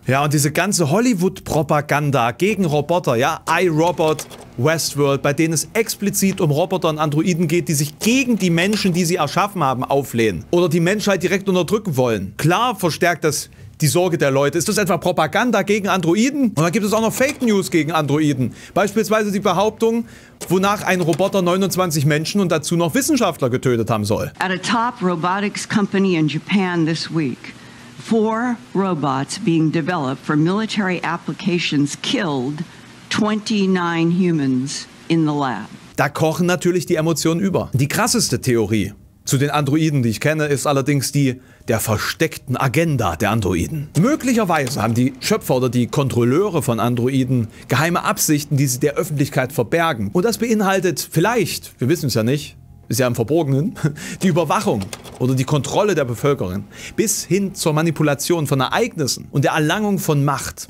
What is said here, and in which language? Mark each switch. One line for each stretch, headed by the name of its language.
German: Ja, und diese ganze Hollywood-Propaganda gegen Roboter, ja, iRobot, Westworld, bei denen es explizit um Roboter und Androiden geht, die sich gegen die Menschen, die sie erschaffen haben, auflehnen oder die Menschheit direkt unterdrücken wollen. Klar verstärkt das die Sorge der Leute. Ist das etwa Propaganda gegen Androiden? Und dann gibt es auch noch Fake News gegen Androiden. Beispielsweise die Behauptung, wonach ein Roboter 29 Menschen und dazu noch Wissenschaftler getötet haben soll.
English: At a top robotics company in Japan this week, 4 robots being developed for military applications killed 29 humans in the lab.
German: Da kochen natürlich die Emotionen über. Die krasseste Theorie zu den Androiden, die ich kenne, ist allerdings die der versteckten Agenda der Androiden. Möglicherweise haben die Schöpfer oder die Kontrolleure von Androiden geheime Absichten, die sie der Öffentlichkeit verbergen. Und das beinhaltet vielleicht, wir wissen es ja nicht, ist ja im Verborgenen, die Überwachung oder die Kontrolle der Bevölkerung bis hin zur Manipulation von Ereignissen und der Erlangung von Macht.